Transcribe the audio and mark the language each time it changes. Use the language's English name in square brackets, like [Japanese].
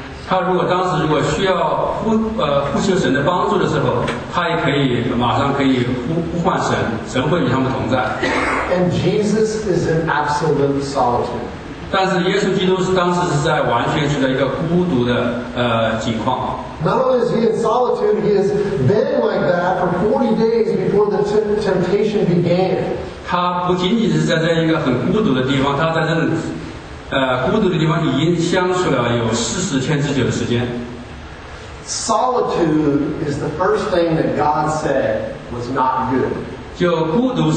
[Chinese] 他如果当时如果需要呼求神的帮助的时候, 他也可以马上可以呼唤神, 神会与他们同在。 [English] And Jesus is in absolute solitude. [Chinese] 但是耶稣基督当时是在完全处在一个孤独的, 情况。 [English] Not only is he in solitude, he has been like that for 40 days before the temptation began. [Chinese] 他不仅仅是在一个很孤独的地方, 孤独的地方已经相处了有40天之久的时间。 [English] Solitude is the first thing that God said was not good.